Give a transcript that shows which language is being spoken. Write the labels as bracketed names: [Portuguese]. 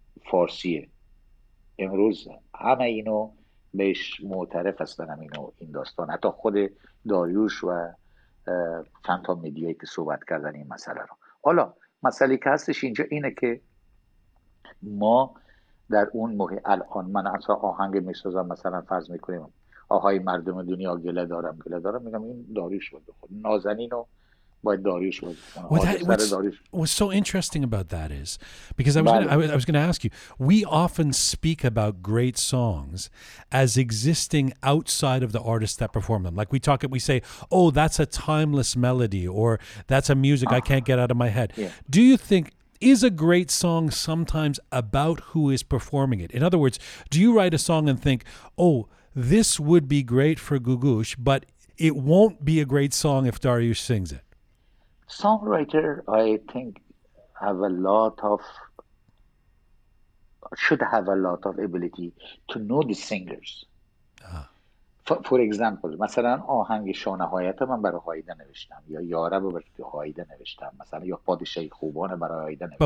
[Persian] فارسیه امروز همه اینو بهش معترف هستن اینو این داستان حتی خود داریوش و چند تا میدیایی که صحبت کردن این مسئله رو حالا مسئله که هستش اینجا اینه که ما در اون موقع الان من اصلا آهنگ میسازم مثلا فرض میکنیم آهای مردم دنیا گله دارم میگم این داریوش بود بخون نازنین رو باید داریوش بود [English] What's so interesting about that is because I was going to ask you we often speak about great songs as existing outside of the artists that perform them like we talk it we say oh that's a timeless melody or that's a music I can't get out of my head yeah. Do you think Is a great song sometimes about who is performing it? In other words, do you write a song and think, oh, this would be great for Gugush, but it won't be a great song if Dariush sings it? Songwriter, I think, have a lot of, should have a lot of ability to know the singers. Ah. For example, [Persian] مثلا آهنگ شانهایت من برای هایده نوشتم یا یاره برای هایده نوشتم مثلا یا پادشاه خوبان برای هایده نوشتم